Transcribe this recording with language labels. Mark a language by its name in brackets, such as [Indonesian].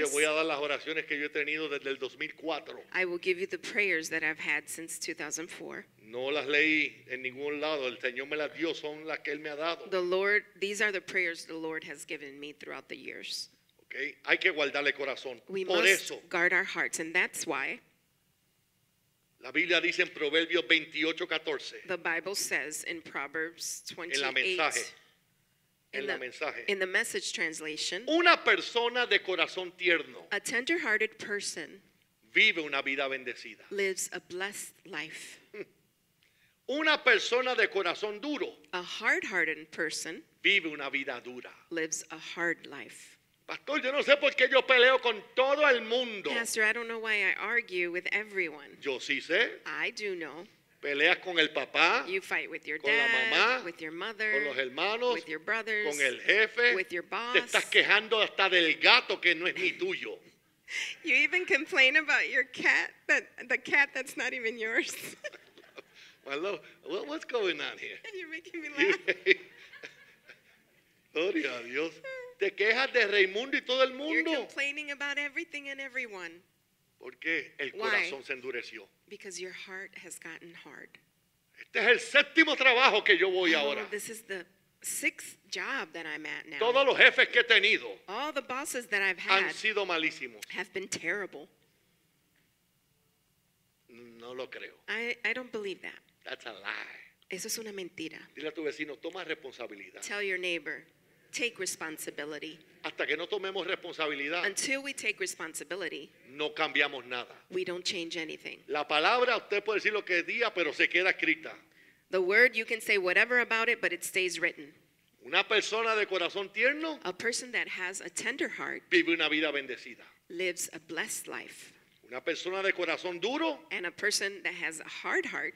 [Spanish] te voy a dar las oraciones que yo he tenido desde el 2004. [English] I will give you the prayers that I've had since 2004. [Spanish] No las leí en ningún lado. El Señor me las dio, son las que Él me ha dado. [English] The Lord, these are the prayers the Lord has given me throughout the years. [Spanish] Okay. Hay que guardarle el corazón. [English] We [Spanish] por [English] must [Spanish] eso. [English] Guard our hearts, and that's why. [Spanish] La Biblia dice en Proverbios 28:14. [English] The Bible says in Proverbs 28. [Spanish] En la mensaje. En la mensaje. [English] In the message translation. [Spanish] Una persona de corazón tierno. [English] A tender-hearted person. [Spanish] Vive una vida bendecida. [English] Lives a blessed life. [Spanish] Una persona de corazón duro. [English] A hard-hearted person. [Spanish] Vive una vida dura. [English] Lives a hard life. [Spanish] Pastor, yo no sé por qué yo peleo con todo el mundo. [English] Pastor, I don't know why I argue with everyone. [Spanish] Yo sí sé. [English] I do know. [Spanish] Peleas con el papá. [English] You fight with your [Spanish] con [English] dad. [Spanish] Con la mamá. [English] With your mother. [Spanish] Con los hermanos. [English] With your brothers. [Spanish] Con el jefe. [English] With your boss. [Spanish] Te estás quejando hasta del gato que no es ni tuyo. [English] You even complain about your cat, the cat that's not even yours. Well, what's going on here? And you're making me laugh. [Spanish] Gloria a Dios. Te quejas de Raimundo y todo el mundo. [English] You're complaining about everything and everyone. [Spanish] ¿Por qué? El corazón se endureció. [English] Because your heart has gotten hard. [Spanish] Este es el séptimo trabajo que yo voy ahora. [English] This is the sixth job that I'm at now. [Spanish] Todos los jefes que he tenido. [English] All the bosses that I've had. [Spanish] Han sido malísimos. [English] Have been terrible. [Spanish] No lo creo. [English] I don't believe that. That's a lie. [Spanish] Eso es una mentira. Dile a tu vecino, toma responsabilidad. [English] Tell your neighbor. Take responsibility. [Spanish] Hasta que no tomemos responsabilidad, [English] until we take responsibility, [Spanish] no cambiamos nada. [English] We don't change anything. [Spanish] La palabra, usted puede decir lo que diga, pero se queda escrita. [English] The word, you can say whatever about it, but it stays written. [Spanish] Una persona de corazón tierno, [English] a person that has a tender heart, [Spanish] vive una vida bendecida. [English] Lives a blessed life. [Spanish] Una persona de corazón duro, [English] and a person that has a hard heart,